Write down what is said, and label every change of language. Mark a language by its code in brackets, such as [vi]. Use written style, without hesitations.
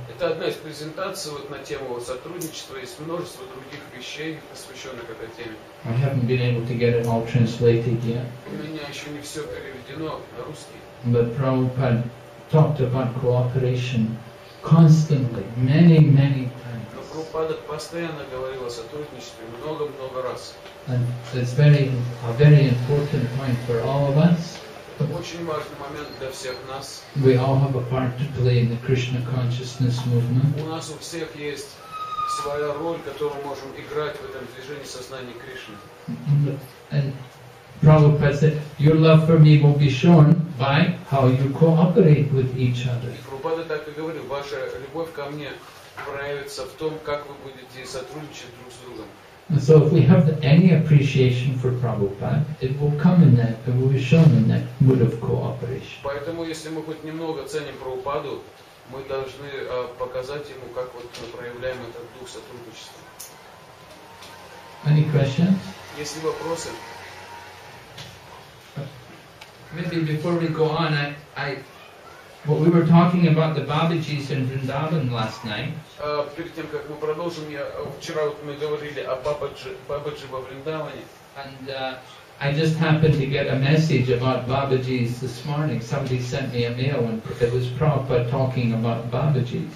[ru] Это одна из презентаций вот на тему сотрудничества. Есть множество других вещей, посвященных этой теме. [en] I haven't been able to get it all translated yet. [ru] У меня еще не все переведено на русский. [en] But Prabhupada talked about cooperation constantly, many, many times. [ru] Прабхупада постоянно говорил о сотрудничестве много-много раз. [en] And it's very, a very important point for all of us. [ru] Это очень важный момент для всех нас. [en] We all have a part to play in the Krishna consciousness movement. [ru] У нас у всех есть своя роль, которую можем играть в этом движении сознания Кришны. [en] And Prabhupada said, your love for me will be shown by how you cooperate with each other. [ru] Прабхупада так и говорил, ваша любовь ко мне проявится в том, как вы будете сотрудничать друг с другом. [en] And so if we have any appreciation for Prabhupada, it will come in that, it will be shown in that mood of cooperation. [ru] Поэтому, если мы хоть немного ценим Прабхупаду, мы должны показать ему, как вот мы проявляем этот дух сотрудничества. [en] Any questions? [ru] Есть ли вопросы? [en] Maybe before we go on, what we were talking about the Babaji's in Vrindavan last night. [ru] Перед тем, как мы продолжим, вчера вот мы говорили о Бабаджи во Вриндаване. [en] And I just happened to get a message about Babaji's this morning. Somebody sent me a mail and it was Prabhupada talking about Babaji's.